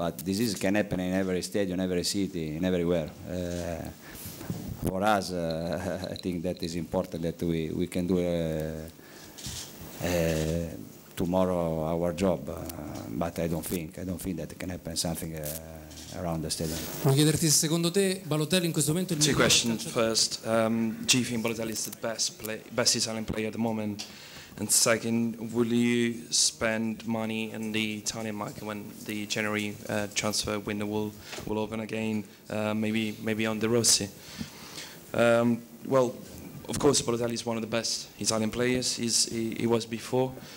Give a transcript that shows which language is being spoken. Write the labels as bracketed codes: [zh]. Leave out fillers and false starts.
[en] But this is, can happen in every stadium, every city, in everywhere. For us, I think that is important that we can do tomorrow our job, but I don't think that can happen something around the stadium. [it] Vuoi chiederti, secondo te Balotelli in questo momento il miglior? [en] Two questions. First, do you think Balotelli is the best Italian player at the moment? And second, will you spend money in the Italian market when the January transfer window will open again? Maybe on De Rossi. Well, of course, Balotelli is one of the best Italian players. He was before.